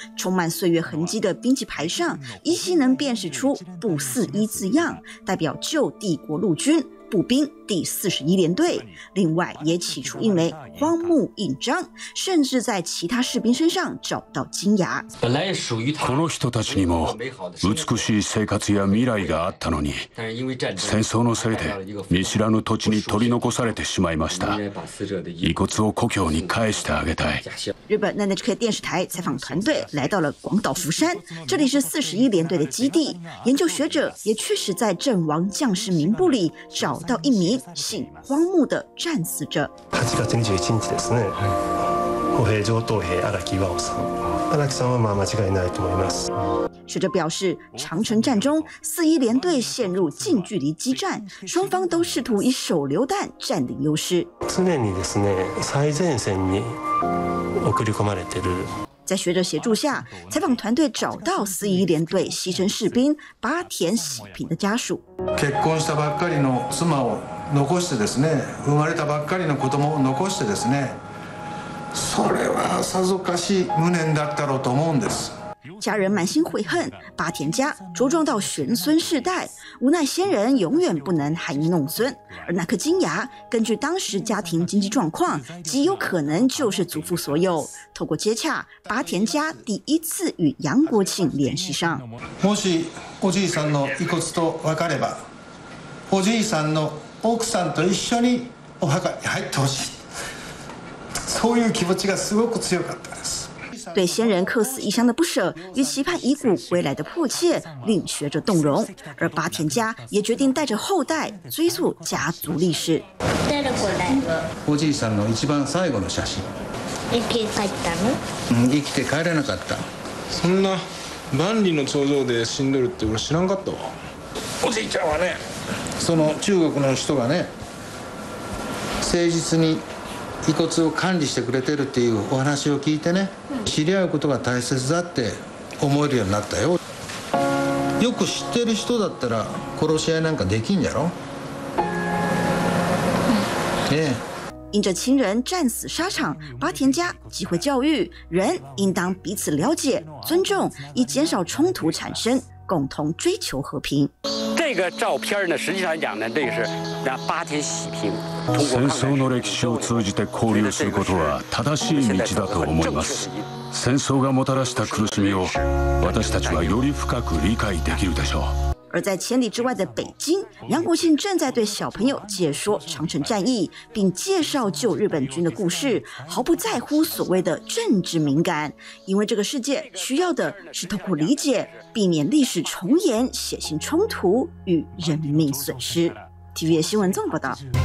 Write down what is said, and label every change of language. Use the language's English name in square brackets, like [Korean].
[Chinese] 充满岁月痕迹的兵器牌上，依稀能辨识出“步四一”字样，代表旧帝国陆军步兵第41联队。另外，也起出一枚荒木印章，甚至在其他士兵身上找到金牙。本来属于 [Japanese] この人たちにも美しい生活や未来があったのに、戦争のせいで見知らぬ土地に取り残されてしまいました。遺骨を故郷に返してあげたい。 [Chinese] 日本 NHK 电视台采访团队来到了广岛釜山，这里是41联队的基地。研究学者也确实在阵亡将士名簿里找到一名姓荒木的战死者。 [Japanese] 8月21日ですね。歩兵上等兵荒木巌さん。荒木さんはまあ間違いないと思います。 [Chinese] 学者表示，长城战中41联队陷入近距离激战，双方都试图以手榴弹占领优势。 [Japanese] 常にですね、最前線に送り込まれてる。 [Chinese] 在学者协助下，采访团队找到41联队牺牲士兵八田喜平的家属。 [Japanese] 結婚したばっかりの妻を残してですね、生まれたばっかりの子供を残してですね、それはさぞかし無念だったろうと思うんです。 [Chinese] 家人满心悔恨，八田家茁壮到玄孙世代，无奈先人永远不能含饴弄孙，而那颗金牙根据当时家庭经济状况极有可能就是祖父所有。透过接洽，八田家第一次与杨国庆联系上。 [Japanese] もしおじいさんの遺骨と分かれば、おじいさんの奥さんと一緒にお墓に入ってほしい、そういう気持ちがすごく強かったです。 [Chinese] 对先人客死异乡的不舍与期盼遗骨归来的迫切令学者动容，而八田家也决定带着后代追溯家族历史。 [Japanese] おじいさんの一番最後の写真。生きて帰ったの？生きて帰れなかった。そんな万里の頂上で死んでるって俺知らんかったわ。おじいちゃんはね、その中国の人がね、誠実に遺骨を管理してくれてるっていうお話を聞いてね、知り合うことが大切だって思えるようになったよ。よく知ってる人だったら殺し合いなんかできんじゃろ。ねえ。 [Chinese] 因着亲人战死沙场，八田家机会教育人应当彼此了解、尊重，以减少冲突产生，共同追求和平。这个照片呢，实际上讲呢，这是让八田喜平。 [Japanese] 戦争の歴史を通じて交流することは正しい道だと思います。戦争がもたらした苦しみを私たちはより深く理解できるでしょう。 [Chinese] 而在千里之外的北京，杨国庆正在对小朋友解说长城战役，并介绍旧日本军的故事，毫不在乎所谓的政治敏感，因为这个世界需要的是透过理解避免历史重演血腥冲突与人民损失。 TVA 新闻这么报道。